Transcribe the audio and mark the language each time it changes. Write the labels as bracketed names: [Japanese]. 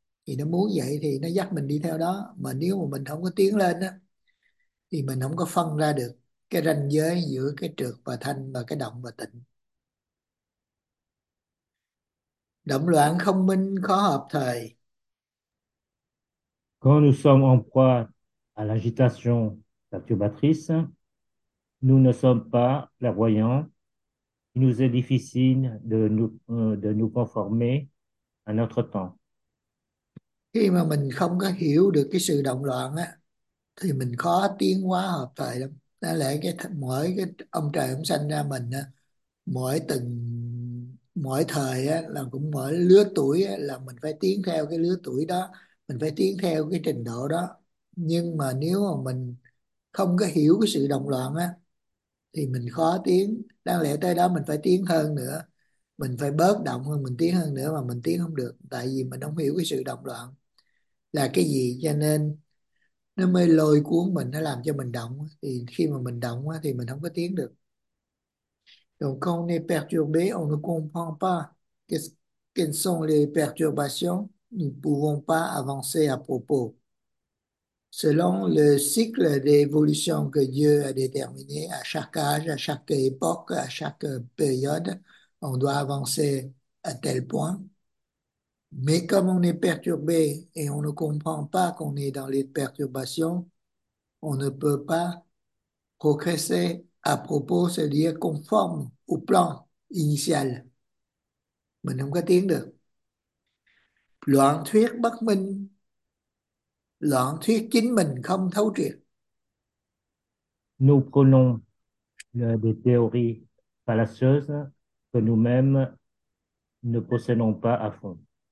[Vietnamese] Thì nó muốn vậy thì nó dắt mình đi theo đó. Mà nếu mà mình không có tiến lên á, thì mình không có phân ra được cái ranh giới giữa cái trược và thanh và cái động và tịnh. Động loạn không minh khó hợp thời. [French] Quand nous sommes en proie à l'agitation perturbatrice, nous ne sommes pas clairvoyants. Il nous est difficile de nous conformer à notre temps. [Vietnamese] Khi mà mình không có hiểu được cái sự động loạn á thì mình khó tiến hóa hợp thời lắm. Nó lẽ cái mỗi cái ông trời ông sanh ra mình á, mỗi thời á, là cũng mỗi lứa tuổi á, là mình phải tiến theo cái lứa tuổi đó, mình phải tiến theo cái trình độ đó. Nhưng mà nếu mà mình không có hiểu cái sự động loạn á thì mình khó tiến. Đáng lẽ tới đó mình phải tiến hơn nữa, mình phải bớt động hơn, mình tiến hơn nữa, mà mình tiến không được tại vì mình không hiểu cái sự động loạn là cái gì, cho nên nó mới lôi cuốn mình, nó làm cho mình động. Thì khi mà mình động thì mình không có tiến được. [French] Donc quand on est perturbé, on ne comprend pas quelles sont les perturbations, nous ne pouvons pas avancer à propos. Selon le cycle d'évolution que Dieu a déterminé à chaque âge, à chaque époque, à chaque période, on doit avancer à tel point. Mais comme on est perturbé et on ne comprend pas qu'on est dans les perturbations, on ne peut pas progresser à propos, c'est-à-dire conforme au plan initial. [Vietnamese] Mình không có tiến được. Loạn thuyết bất minh, loạn thuyết chính mình không thấu triệt. [French] Nous prenons des théories fallacieuses que nous-mêmes ne possédons pas à fond.